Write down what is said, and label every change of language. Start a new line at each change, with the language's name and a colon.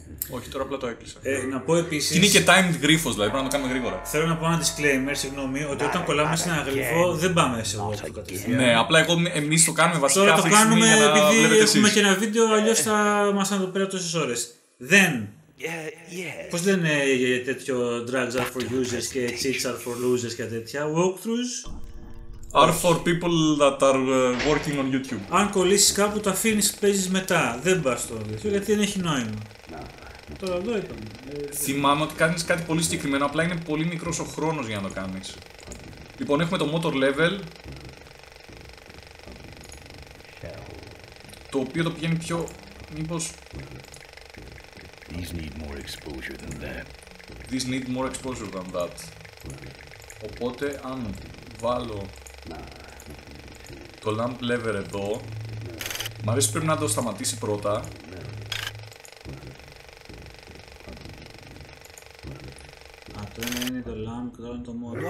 Greek: Όχι, τώρα απλά το έκλεισα. Να πω επίσης... Είναι και timed γρίφος, δηλαδή πρέπει να το κάνουμε γρήγορα. Θέλω να πω ένα disclaimer, συγγνώμη, ότι όταν κολλάμε σε ένα γρίφο δεν πάμε σε εγώ αυτό κατευθείαν. Ναι, απλά εγώ, εμείς το κάνουμε βασικά. Τώρα το κάνουμε επειδή έχουμε και ένα βίντεο, αλλιώς θα μας εδώ πέρα τόσες ώρες. Δεν. Πώς λένε τέτοιο
English: drugs are for users
Greek: και
English: cheats are for losers
Greek: και τέτοια.
English: Walkthroughs are for people that are working on YouTube.
Greek: Αν κολλήσεις κάπου, τα αφήνεις, παίζεις μετά. Δεν πας στο βίντεο γιατί δεν έχει νόημα. Τώρα εδώ είπαμε. Θυμάμαι ότι κάνεις κάτι πολύ συγκεκριμένο, απλά είναι πολύ μικρός ο χρόνος για να το κάνεις. Λοιπόν, έχουμε το motor level. Το οποίο το πηγαίνει πιο... Μήπως...
English: These need more exposure than that. These need more exposure than that.
Greek: Οπότε, αν βάλω το lamp lever εδώ, μ' αρέσει πρέπει να το σταματήσει πρώτα. Α, το ένα είναι το lamp και το άλλο είναι το motor.